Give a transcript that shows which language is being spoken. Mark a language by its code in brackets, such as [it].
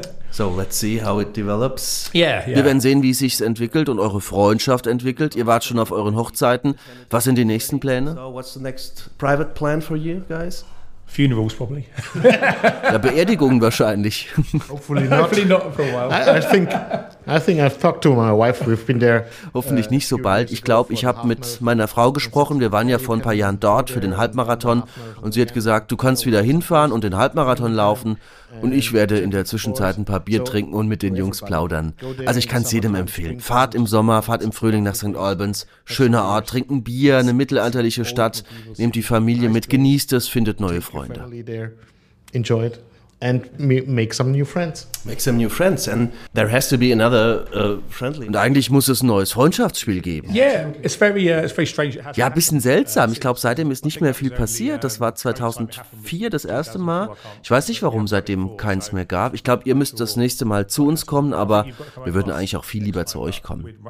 [en] So, let's see how it develops. Yeah. [de] Wir werden sehen, wie es sich entwickelt und eure Freundschaft entwickelt. Ihr wart schon auf euren Hochzeiten. Was sind die nächsten Pläne? [en] So, what's the next private plan for you guys? Funerals probably. [de] Ja, Beerdigungen wahrscheinlich. [en] Hopefully not for a while. I think I've talked to my wife. We've been there. [de] Hoffentlich nicht so bald. Ich glaube, ich habe mit meiner Frau gesprochen. Wir waren ja vor ein paar Jahren dort für den Halbmarathon. Und sie hat gesagt, du kannst wieder hinfahren und den Halbmarathon laufen. Und ich werde in der Zwischenzeit ein paar Bier trinken und mit den Jungs plaudern. Also ich kann es jedem empfehlen. Fahrt im Sommer, fahrt im Frühling nach St. Albans. Schöner Ort, trinkt ein Bier, eine mittelalterliche Stadt. Nehmt die Familie mit, genießt es, findet neue Freunde. [en] Enjoy it. And make some new friends. Make some new friends. And there has to be another friendly. [de] Und eigentlich muss es ein neues Freundschaftsspiel geben. [en] Yeah, it's very strange. [de] Ja, ein bisschen seltsam. Ich glaube, seitdem ist nicht mehr viel passiert. Das war 2004 das erste Mal. Ich weiß nicht, warum seitdem keins mehr gab. Ich glaube, ihr müsst das nächste Mal zu uns kommen, aber wir würden eigentlich auch viel lieber zu euch kommen.